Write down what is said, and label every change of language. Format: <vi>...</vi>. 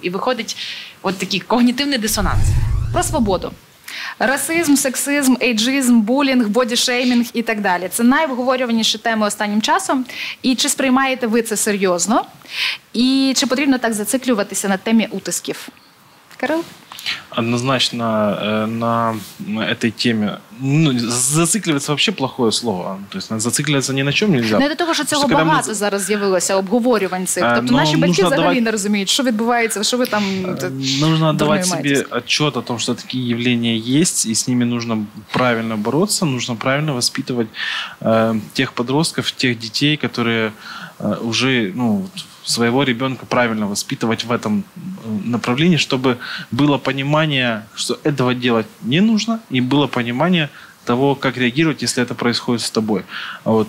<uk>І виходить от такий когнітивний дисонанс. Про свободу. Расизм, сексизм, ейджизм, булінг, бодішеймінг і так далі. Це найобговорюваніші теми останнім часом. І чи сприймаєте ви це серйозно? І чи потрібно так зациклюватися на темі утисків? Кирил?</uk> <ru>Однозначно на этой теме. Ну, зациклюватися вообще плохое слово.</ru> <uk>Тобто зациклюватися ні на чому не можна. Не до того, що цього просто, багато ми... зараз з'явилося, обговорювань цих. Тобто наші батьки взагалі давати... не розуміють, що відбувається, що ви там</uk> <ru>нужно давати собі отчет о том,</ru> <uk>що такі</uk> <ru>явления есть,</ru> <uk>і з ними</uk> <ru>нужно правильно бороться, нужно правильно воспитывать тех подростков, тех детей, которые уже, ну, своего ребенка правильно воспитывать в этом направлении, чтобы было понимание, что этого делать не нужно, и было понимание того, как реагировать, если это происходит с тобой. Вот.</ru>